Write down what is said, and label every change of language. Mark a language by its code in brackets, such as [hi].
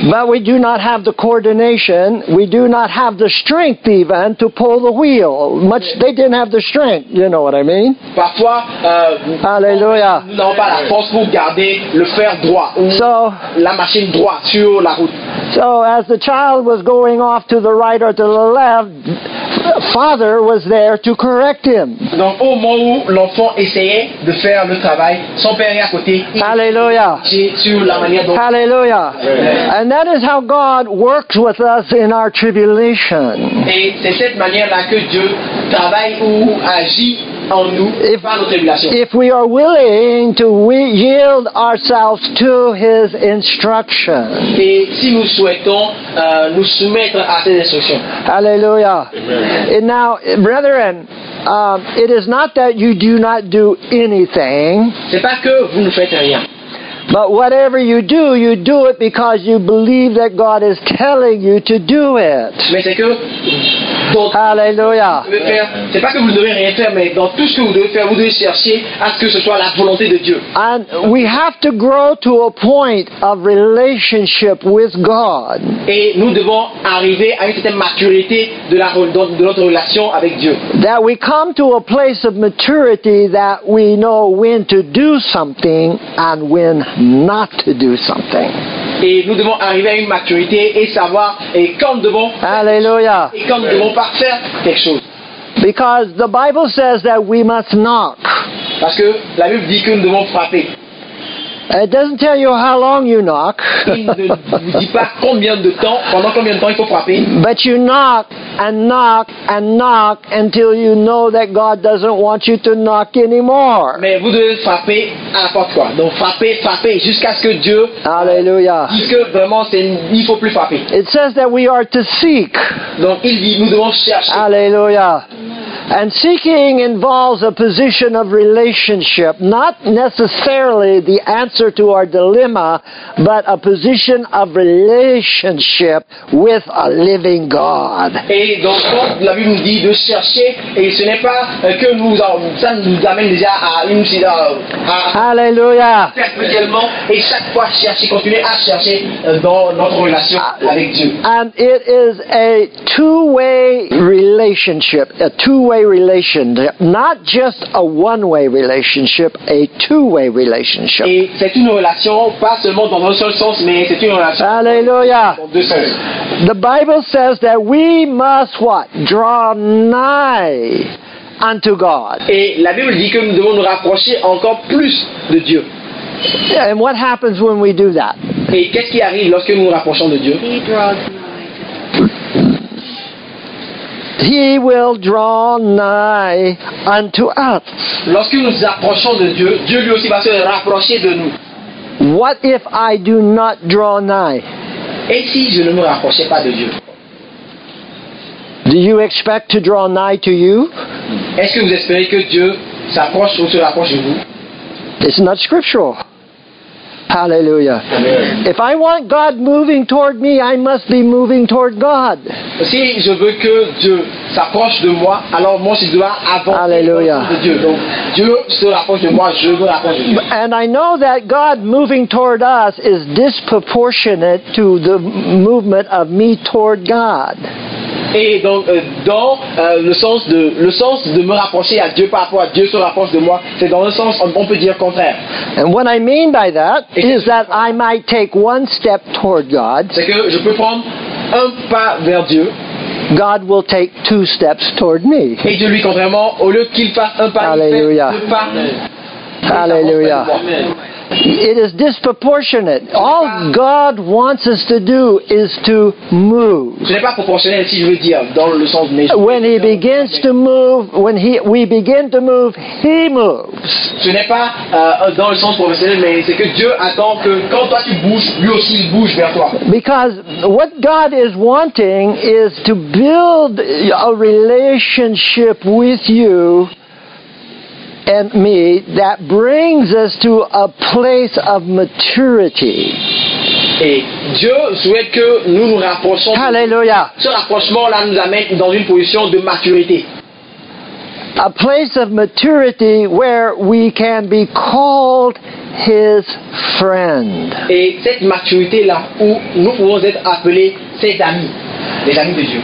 [en] But we do not have the coordination. We do not have the strength even to pull the wheel. Much they didn't have the strength. You know what I mean? [fr] Parfois. Alléluia. Nous n'avons pas la force pour garder le fer droit ou la machine droit sur la route. [en] So as the child was going off to the right or to the left, father was there to correct him. [fr] Donc au moment où l'enfant essayait de faire le travail, son père est à côté. Alléluia. Sur la manière dont. Alléluia. [en] And that is how God works with us in our tribulation. [fr] Et c'est cette manière-là que Dieu travaille ou agit. [en] If we are willing to yield ourselves to his instruction. [fr] Et si nous souhaitons nous soumettre à ses instructions. Alléluia. [en] And now, brethren, it is not that you do not do anything. [fr] C'est pas que vous ne faites rien. [en] But whatever you do it because you believe that God is telling you to do it. [fr] Mais c'est que Alléluia. C'est pas que vous devez rien faire, mais dans tout ce que vous devez faire, vous devez chercher à ce que ce soit la volonté de Dieu. [en] And we have to grow to a point of relationship with God. [fr] Et nous devons arriver à une certaine maturité de notre relation avec Dieu. [en] That we come to a place of maturity that we know when to do something and when not to do something. [fr] Et nous devons arriver à une maturité et savoir et quand devons. Alléluia. Et quand devons pas faire quelque chose. [en] Because the Bible says that we must knock. [fr] Parce que la Bible dit que nous devons frapper. [en] It doesn't tell you how long you knock. [fr] Il ne vous dit pas combien de temps, pendant combien de temps il faut frapper. [en] But you knock and knock and knock until you know that God doesn't want you to knock anymore. [fr] Mais vous devez frapper à la porte quoi. Donc frapper jusqu'à ce que Dieu. Alléluia. Jusque vraiment c'est il faut plus frapper. [en] It says that we are to seek. [fr] Donc il dit nous devons chercher. Alléluia. [en] And seeking involves a position of relationship, not necessarily the answer to our dilemma, but a position of relationship with a living God. [fr] Et donc la Bible nous dit de chercher, et ce n'est pas que nous ça nous amène déjà à une situation. [en] Hallelujah. [fr] Perpétuellement et chaque fois chercher, continuer à chercher dans notre relation avec Dieu. [en] And it is a two-way relationship, a two-way relationship, not just a one-way relationship, a two-way relationship. [fr] Et c'est une relation pas seulement dans un seul sens, mais c'est une relation. Alléluia. Dans deux sens. [en] The Bible says that we must what? Draw nigh unto God. [fr] Et la Bible dit que nous devons nous rapprocher encore plus de Dieu. [en] And what happens when we do that? [fr] Et qu'est-ce qui arrive lorsque nous nous rapprochons de Dieu? [en] He draws nigh. He will draw nigh unto us. [fr] Lorsque nous nous approchons de Dieu, Dieu lui aussi va se rapprocher de nous. [en] What if I do not draw nigh? [fr] Et si je ne me rapprochais pas de Dieu? [en] Do you expect to draw nigh to you? [fr] Est-ce que vous espérez que Dieu s'approche ou se rapproche de vous? [en] It's not scriptural. Hallelujah. Amen. If I want God moving toward me, I must be moving toward God. [fr] Si je veux que Dieu s'approche de moi, alors moi je dois avancer. [en] Hallelujah. [fr] De Dieu. Donc Dieu se rapproche de moi, je veux rapprocher de Dieu. [en] And I know that God moving toward us is disproportionate to the movement of me toward God. [fr] Et donc dans le sens de me rapprocher à Dieu par rapport à Dieu se rapproche de moi, c'est dans le sens on peut dire contraire. [en] And what I mean by that is that I might take one step toward God. [fr] C'est que je peux prendre un pas vers Dieu. [en] God will take two steps toward me. [fr] Et Dieu lui contrairement, au lieu qu'il fasse un pas, Alléluia. Il fait deux pas. [en] Alléluia. It is disproportionate. All God wants us to do is to move. [fr] Ce n'est pas proportionnel si je veux dire dans le sens de mes. [en] When he begins to move, we begin to move, he moves. [fr] Ce n'est pas dans le sens proportionnel, mais c'est que Dieu attend que quand toi tu bouges, lui aussi il bouge vers toi. [en] Because what God is wanting is to build a relationship with you and me that brings us to a place of maturity. [fr] Et Dieu souhaite que nous nous rapprochions. Alléluia. Ce rapprochement là nous amène dans une position de maturité. [en] A place of maturity where we can be called his friend. [fr] Et cette maturité là où nous pouvons être appelés ses amis, les amis de Dieu.